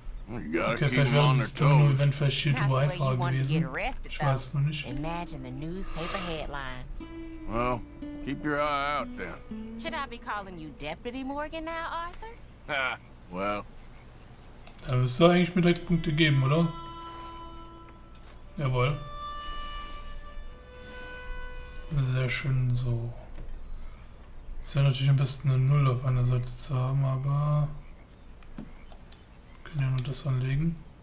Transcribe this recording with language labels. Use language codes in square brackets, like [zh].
[de] Okay, vielleicht wäre das Domino-Event vielleicht hier drüber einfacher gewesen. Ich weiß es noch nicht. [en] Imagine the newspaper headlines. Well, keep your eye out then. Should I be calling you Deputy Morgan now, Arthur? Ha, well. [de] Da müsste eigentlich mir direkt Punkte geben, oder? Jawohl. Sehr schön so. Es wäre natürlich am besten eine 0 auf einer Seite zu haben, aber wir können ja nur das anlegen.